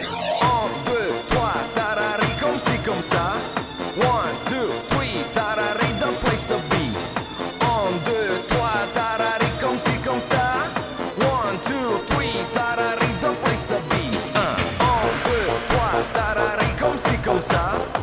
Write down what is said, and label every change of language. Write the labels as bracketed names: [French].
[French] Un, deux, trois, tarari, comme si, comme ça. [English] One, two, three, tarari, the place to be. [French] Un, deux, trois, tarari, comme si, comme ça. [English] One, two, three, tarari, the place to be. [French] Un, deux, trois, tarari, comme si, comme ça.